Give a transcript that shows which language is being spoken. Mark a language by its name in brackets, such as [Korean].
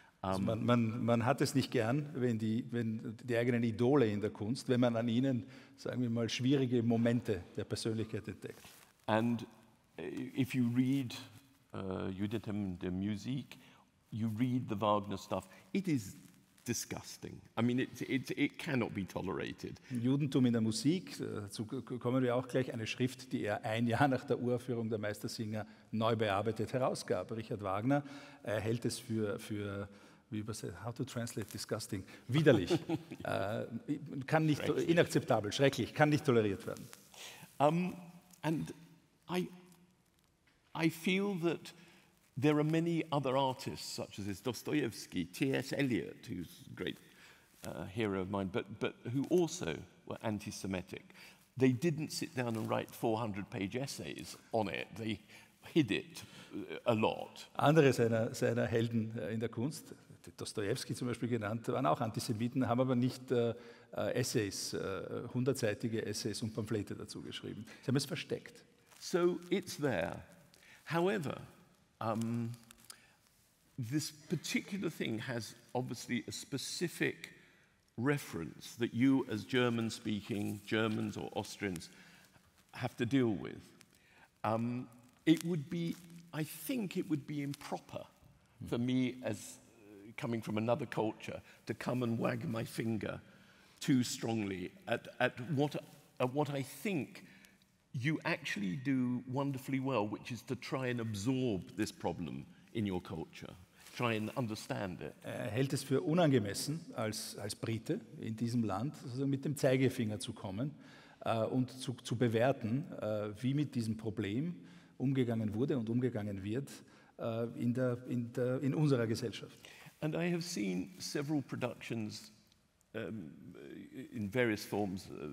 [German] Man hat es nicht gern, wenn die eigenen Idole in der Kunst, wenn man an ihnen, sagen wir mal, schwierige Momente der Persönlichkeit entdeckt. [English] And if you read Judith in der Musik, you read the Wagner stuff, it is disgusting. I mean, it cannot be tolerated. [German] Judentum in der Musik, dazu kommen wir auch gleich, eine Schrift, die er ein Jahr nach der Uraufführung der Meistersinger neu bearbeitet herausgab. Richard Wagner hält es für wie übersetzt, [English] how to translate disgusting, [German] widerlich, kann nicht, schrecklich. Inakzeptabel, schrecklich, kann nicht toleriert werden. [English] And I feel that there are many other artists, such as Dostoevsky, T.S. Eliot, who's a great hero of mine, but who also were anti-Semitic. They didn't sit down and write 400-page essays on it. They hid it a lot. [German] Andere seiner Helden in der Kunst, Dostoevsky zum Beispiel genannt, waren auch Antisemiten, haben aber nicht Essays, hundertseitige Essays und Pamphlete dazu geschrieben. Sie haben es versteckt. [English] So it's there. However, this particular thing has obviously a specific reference that you as German-speaking Germans or Austrians have to deal with. I think it would be improper for me as coming from another culture to come and wag my finger too strongly at what I think you actually do wonderfully well, which is to try and absorb this problem in your culture, try and understand it. [German] Er hält es für unangemessen, als Brite in diesem Land, also mit dem Zeigefinger zu kommen, und zu bewerten, wie mit diesem Problem umgegangen wurde und umgegangen wird in unserer Gesellschaft. [English] And I have seen several productions in various forms,